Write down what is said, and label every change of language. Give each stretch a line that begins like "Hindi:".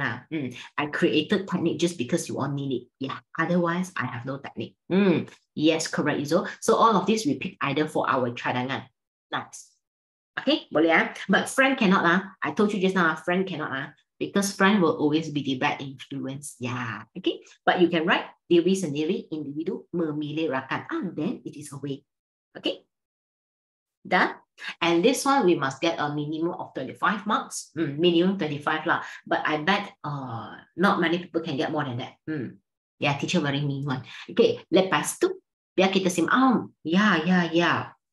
English: I created technique just because you all need it. Yeah, otherwise, I have no technique. Yes, correct, Izo. So all of this, we pick either for our cadangan. Nice. Okay,
Malay: boleh ya?
English: But friend cannot. I told you just now, friend cannot. Because friend will always be the bad influence. Yeah, okay? But you can write
Malay: diri sendiri, individu, memilihkan.
English: And then it is a way. Okay? Done? And this one, we must get a minimum of 25 marks. Minimum 25 lah. But I bet not many people can get more than that. Yeah, teacher very mean one.
Malay: Okay, lepas tu, biar kita simak. Yeah.